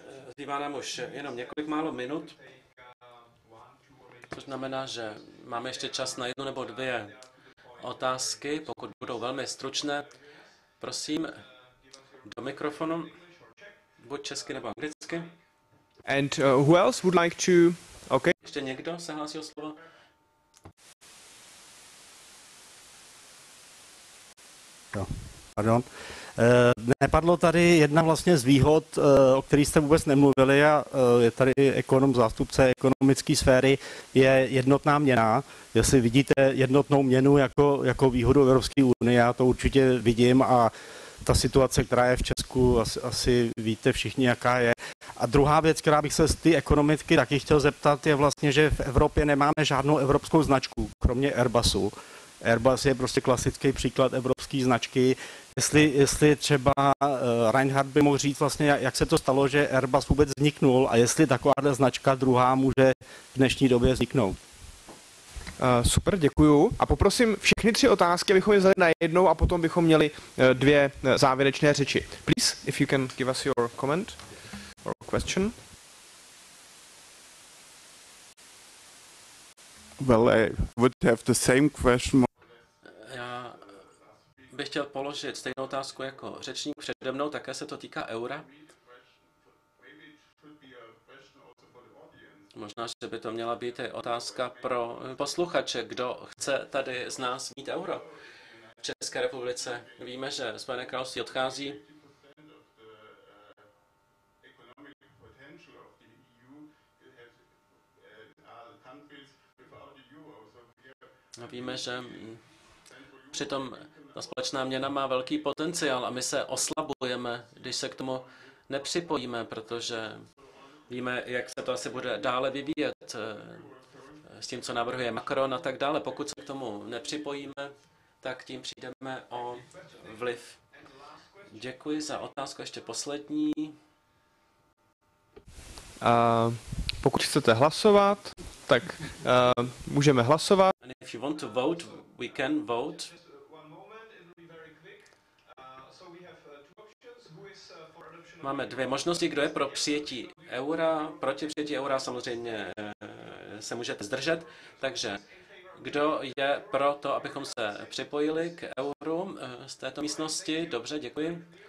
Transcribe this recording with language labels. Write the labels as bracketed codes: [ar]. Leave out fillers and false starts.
[cs] Zbývá nám už jenom několik málo minut. To znamená, že máme ještě čas na jednu nebo dvě otázky, pokud budou velmi stručné. Prosím, do mikrofonu, buď česky nebo anglicky. [en] And who else would like to... Okay. [cs] Ještě někdo se hlásí o slovo? No, pardon. Nepadlo tady jedna vlastně z výhod, o který jste vůbec nemluvili, a je tady ekonom, zástupce ekonomické sféry, je jednotná měna. Jestli vidíte jednotnou měnu jako výhodu Evropské unie, já to určitě vidím, a ta situace, která je v Česku, asi víte všichni, jaká je. A druhá věc, která bych se z té ekonomiky taky chtěl zeptat, je vlastně, že v Evropě nemáme žádnou evropskou značku, kromě Airbusu. Airbus je prostě klasický příklad evropské značky. Jestli třeba Reinhard by mohl říct vlastně, jak se to stalo, že Airbus vůbec vzniknul, a jestli takováhle značka druhá může v dnešní době vzniknout. Super, děkuju. A poprosím všechny tři otázky, abychom je vzali na jednou, a potom bychom měli dvě závěrečné řeči. [en] Please, if you can give us your comment or question. Well, I would have the same question. [cs] Já bych chtěl položit stejnou otázku jako řečník přede mnou, také se to týká eura. Možná, že by to měla být otázka pro posluchače, kdo chce tady z nás mít euro. V České republice víme, že Spojené království odchází. A víme, že přitom ta společná měna má velký potenciál a my se oslabujeme, když se k tomu nepřipojíme, protože víme, jak se to asi bude dále vyvíjet s tím, co navrhuje Macron a tak dále. Pokud se k tomu nepřipojíme, tak tím přijdeme o vliv. Děkuji za otázku. Ještě poslední. Pokud chcete hlasovat, tak můžeme hlasovat. [en] And if you want to vote, we can vote. [cs] Máme dvě možnosti, kdo je pro přijetí eura, proti přijetí eura samozřejmě se můžete zdržet. Takže kdo je pro to, abychom se připojili k euru z této místnosti? Dobře, děkuji.